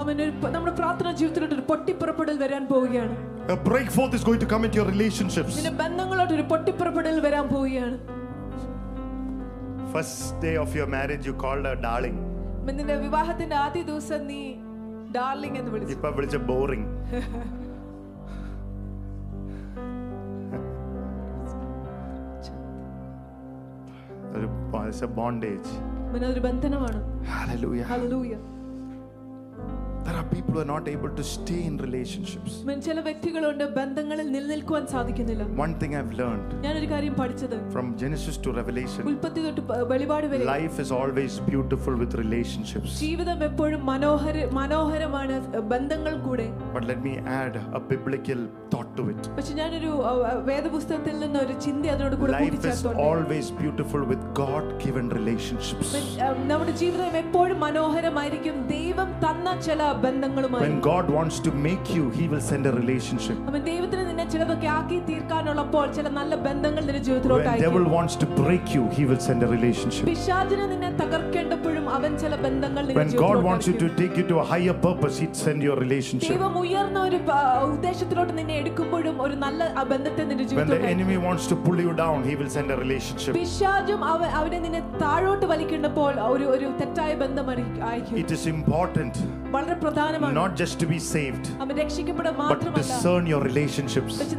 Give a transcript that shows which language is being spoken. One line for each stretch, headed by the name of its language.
Malayalam: നമ്മുടെ പ്രാർത്ഥന ജീവിതത്തിലൊരു പൊട്ടിപ്പുറപ്പെടൽ വരാൻ പോവുകയാണ്.
English: A breakthrough is going to come into your relationships.
Malayalam: നിന്റെ ബന്ധങ്ങളിലോട്ട് ഒരു പൊട്ടിപ്പുറപ്പെടൽ വരാൻ പോവുകയാണ്.
English: First day of your marriage you called her darling.
Malayalam: നിന്റെ വിവാഹത്തിന്റെ ആദ്യ ദിവസം നീ ഡാർലിംഗ് എന്ന് വിളിച്ചു. ഇപ്പോ വിളിച്ച ബോറിംഗ്.
English: It's a bondage.
Malayalam: മന ഒരു ബന്ധനമാണ്.
English: Hallelujah. Hallelujah. There are people who are not able to stay in relationships.
Malayalam: മനുഷ്യല വ്യക്തികളുണ്ട് ബന്ധങ്ങളിൽ നിലനിൽക്കാൻ സാധിക്കുന്നില്ല.
English: One thing I've learned.
Malayalam: ഞാൻ ഒരു കാര്യം പഠിച്ചു.
English: From Genesis to Revelation.
Malayalam: ഉൽപ്പത്തി തൊട്ട് വെളിപാട് വരെ.
English: Life is always beautiful with relationships.
Malayalam: ജീവിതം എപ്പോഴും മനോഹരമാണ് ബന്ധങ്ങൾ കൂടെ.
English: But let me add a biblical thought to it.
Malayalam: പക്ഷെ ഞാൻ ഒരു വേദപുസ്തകത്തിൽ നിന്ന് ഒരു ചിന്ത അതിനോട് കൂടി കൂട്ടിച്ചേർത്തോണ്ട്.
English: Life is always beautiful with God given relationships.
Malayalam: നമ്മുടെ ജീവിതം എപ്പോഴും മനോഹരമായിരിക്കും ദൈവം തന്ന ചില ബന്ധങ്ങളുമായി.
English: When God wants to make you, he will send a relationship.
Malayalam: അവൻ ദൈവത്തിന് നിന്നെ ചിലതൊക്കെ ആക്കി തീർക്കാനുള്ളപ്പോൾ ചില നല്ല ബന്ധങ്ങൾ നിന്റെ ജീവിതത്തിലോട്ട് ആയി.
English: When the devil wants to break you, he will send a relationship.
Malayalam: പിശാചിനെ നിന്നെ തകർക്കേണ്ടപ്പോഴും അവൻ ചില ബന്ധങ്ങൾ നിന്റെ ജീവിതത്തിലോട്ട് ആയി.
English: When God wants you to take you to a higher purpose, he'd send your relationship.
Malayalam: ദൈവം ഉയർന്ന ഒരു ഉദ്ദേശത്തിലോട്ട് നിന്നെ എടുക്കുമ്പോഴും ഒരു നല്ല ബന്ധത്തെ നിന്റെ ജീവിതത്തിലോട്ട് ആയി.
English: When the enemy wants to pull you down, he will send a relationship.
Malayalam: പിശാചും അവനെ നിന്നെ താഴോട്ട് വലിക്കുന്നപ്പോൾ ഒരു തെറ്റായ ബന്ധം ആയിരിക്കും.
English: It is important. Not just to be saved, but discern your relationships.